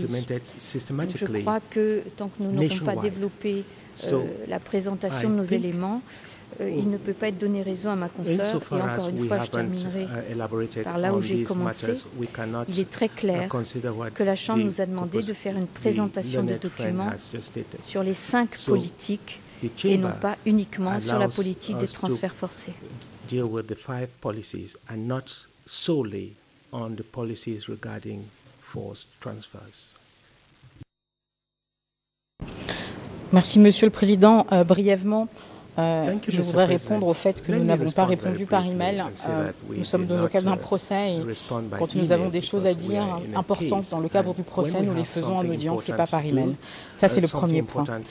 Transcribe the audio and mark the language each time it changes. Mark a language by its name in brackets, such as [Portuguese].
[French] Donc je crois que tant que nous n'aurons pas développé la présentation de nos éléments, il ne peut pas être donné raison à ma consoeur, et encore une fois, je terminerai par là où j'ai commencé. Il est très clair que la Chambre nous a demandé de faire une présentation de documents sur les cinq politiques et non pas uniquement sur la politique des transferts forcés. [English] Deal with the five policies and not solely on the policies regarding forced transfers. [French] Merci, Monsieur le Président. Brièvement, je voudrais répondre au fait que nous n'avons pas répondu par email. Nous sommes dans le cadre d'un procès et quand nous avons des choses à dire importantes dans le cadre du procès, nous les faisons en audience et pas par email. Ça, c'est le premier point.